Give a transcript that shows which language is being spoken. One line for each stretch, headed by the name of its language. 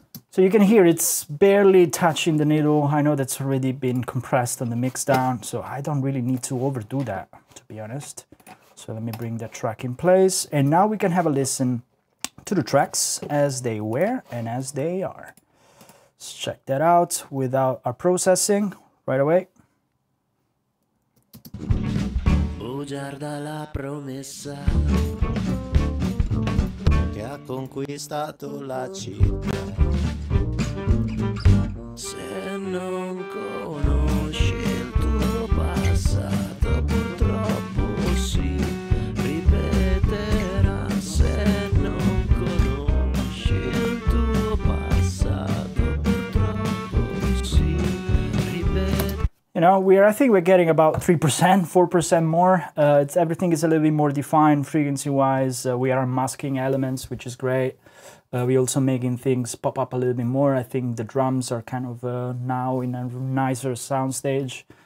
English: So you can hear it's barely touching the needle. I know that's already been compressed on the mix down, so I don't really need to overdo that, to be honest. So let me bring that track in place, and now we can have a listen to the tracks as they were and as they are. Let's check that out without our processing right away.
Italian: Bugiarda la promessa che ha conquistato la città. Se non conosci il tuo passato, purtroppo si ripeterà. Se non conosci il tuo passato, purtroppo si ripeterà.
English: You know, I think we're getting about 3%, 4% more. Everything is a little bit more defined frequency-wise. We are masking elements, which is great. We're also making things pop up a little bit more. I think the drums are kind of now in a nicer sound stage.